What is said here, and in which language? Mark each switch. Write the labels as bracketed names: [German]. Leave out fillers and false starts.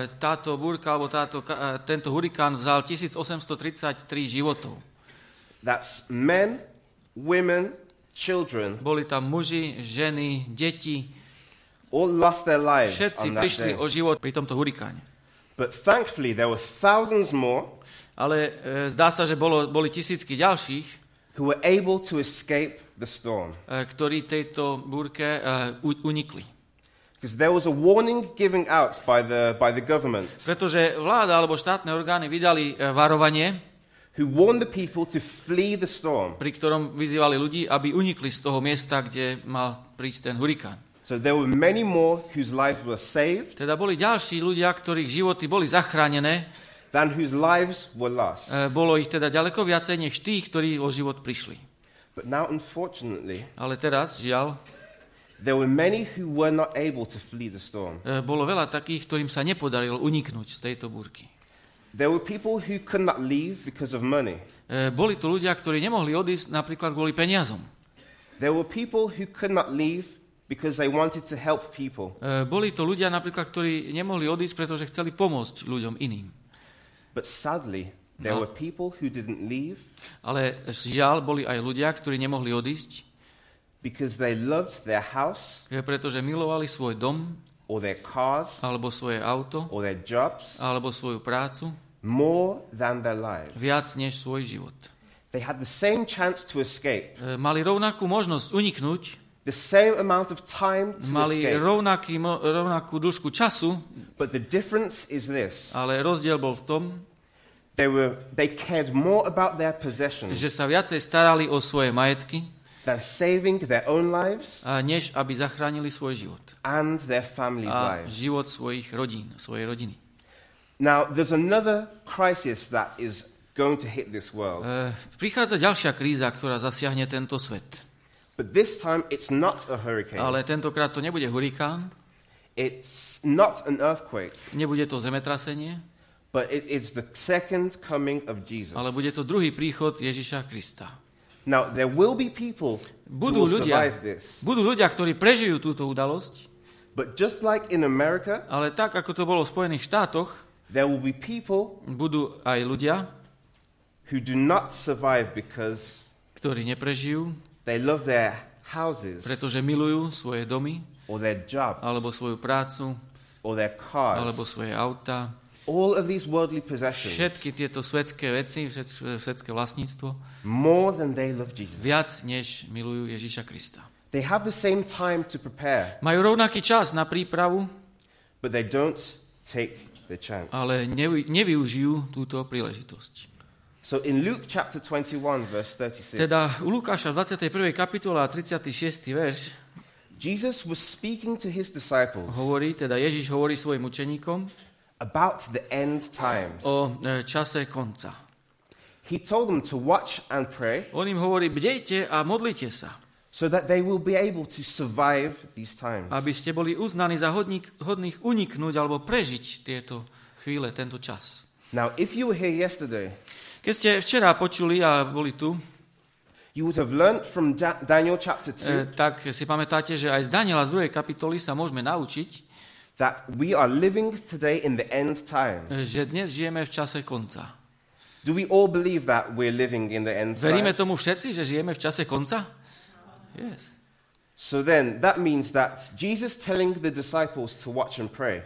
[Slovak] Táto búrka alebo tento hurikán vzal 1833 životov. [English] That's men, women, children. [Slovak] Boli tam muži, ženy, deti. [English] All lost their lives. [Slovak] Všetci prišli o život pri tomto hurikáne. [English] But thankfully there were thousands more. [Slovak] Ale zdá sa, že boli tisícky ďalších, [English] who were able to escape the storm. [Slovak] Ktorí tejto búrke unikli. [English] Because there was a warning given out by the government. [Slovak] Pretože vláda alebo štátne orgány vydali varovanie, [English] who warned the people to flee the storm. [Slovak] Pri ktorom vyzývali ľudí, aby unikli z toho miesta, kde mal prísť ten hurikán. [English] So there were many more whose lives were saved. [Slovak] Teda boli ďalší ľudia, ktorých životy boli zachránené. [English] Than whose lives were lost. [Slovak] Bolo ich teda ďaleko viacej než tých, ktorí o život prišli. [English] But now, unfortunately, [Slovak] ale teraz, žiaľ, [English] there were many who were not able to flee the storm. [Slovak] Bolo veľa takých, ktorým sa nepodarilo uniknúť z tejto búrky. [English] There were people who could not leave because of money. [Slovak] Boli tu ľudia, ktorí nemohli odísť napríklad kvôli peniazom. [English] There were people who could not leave because they wanted to help people. [Slovak] Boli to ľudia napríklad, ktorí nemohli odísť, pretože chceli pomôcť ľuďom iným. [English] But sadly, there were people who didn't leave. [Slovak] Ale žiaľ, boli aj ľudia, ktorí nemohli odísť. [English] Because they loved their house. [Slovak] Pretože milovali svoj dom. [English] Or their cars. [Slovak] Alebo svoje auto. [English] Or their jobs. [Slovak] Alebo svoju prácu. [English] More than their lives. [Slovak] Viac než svoj život. [English] They had the same chance to escape. [Slovak] Mali rovnakú možnosť uniknúť. [English] The same amount of time to escape. [Slovak] Mali rovnakú dĺžku času. [English] But the difference is this. [Slovak] Ale rozdiel bol v tom, [English] they cared more about their possessions. [Slovak] Že sa viacej starali o svoje majetky. [English] Than saving their own lives. [Slovak] A než aby zachránili svoj život. [English] And their family's lives. [Slovak] A život svojich rodín, svojej rodiny. [English] Now there's another crisis that is going to hit this world. [Slovak] Prichádza ďalšia kríza, ktorá zasiahne tento svet. [English] But this time it's not a hurricane. [Slovak] Ale tentokrát to nebude hurikán. [English] It's not an earthquake. [Slovak] Nebude to zemetrasenie. [English] But it's the second coming of Jesus. [Slovak] Ale bude to druhý príchod Ježiša Krista. [English] Now there will be people who will survive this. [Slovak] Budú ľudia, ktorí prežijú túto udalosť. [English] But just like in America, [Slovak] ale tak ako to bolo v Spojených štátoch, [English] there will be people, [Slovak] budú aj ľudia, [English] who do not survive because, [Slovak] ktorí neprežijú. [English] They love their houses, [Slovak] pretože milujú svoje domy, [English] or their jobs, [Slovak] alebo svoju prácu, [English] or their cars, [Slovak] alebo svoje auta. [English] All of these worldly possessions, [Slovak] všetky tieto svetské veci, svetské vlastníctvo, [English] more than they love Jesus, [Slovak] viac než milujú Ježiša Krista. [English] They have the same time to prepare, [Slovak] majú rovnaký čas na prípravu, [English] but they don't take the chance, [Slovak] ale nevyužijú túto príležitosť. [English] So in Luke chapter 21 verse 36. [Slovak] Teda u Lukáša 21. kapitola 36. verš. [English] Jesus was speaking to his disciples. [Slovak] Hovorí, teda Ježiš hovorí svojim učeníkom [English] about the end times. [Slovak] O čase konca. [English] He told them to watch and pray. [Slovak] On im hovorí, bdejte a modlite sa. [English] So that they will be able to survive these times. [Slovak] Aby ste boli uznaní za hodných uniknúť alebo prežiť tieto chvíle, tento čas. [English] Now if you were here yesterday, [Slovak] keď ste včera počuli a boli tu, [English] you would have learned from Daniel chapter 2, [Slovak] tak si pamätáte, že aj z Daniela z druhej kapitoly sa môžeme naučiť, [English] that we are living today in the end times, [Slovak] že dnes žijeme v čase konca. [English] Do we all believe that we're living in the end times? [Slovak] Veríme tomu všetci, že žijeme v čase konca? [English] Yes. So then that means that Jesus telling the disciples to watch and pray,